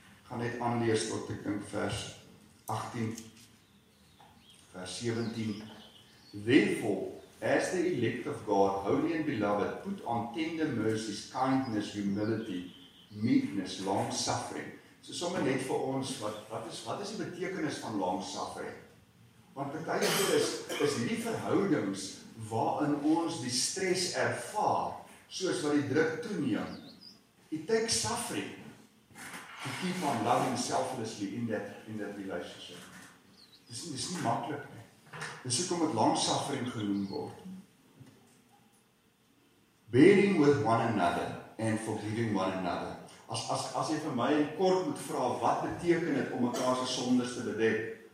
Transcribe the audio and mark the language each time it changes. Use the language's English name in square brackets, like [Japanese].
[Afrikaans] Gaan net aanlees tot ek dink vers 18, vers 17. [English] Therefore, as the elect of God, holy and beloved, put on tender mercies, kindness, humility, meekness, long-suffering. [Afrikaans] So sommer net vir ons, wat is die betekenis van long-suffering? Want partye goed is hierdie verhoudings waarin ons die stres ervaar, soos wat die druk toeneem. [English] It takes suffering to keep on loving selflessly in that relationship. [Afrikaans] Dis nie maklik nie. Dis hoekom dit long-suffering genoem word. [English] Bearing with one another and forgiving one another. [Afrikaans] As jy vir my kort moet vra wat beteken dit om mekaar se sondes te bedek,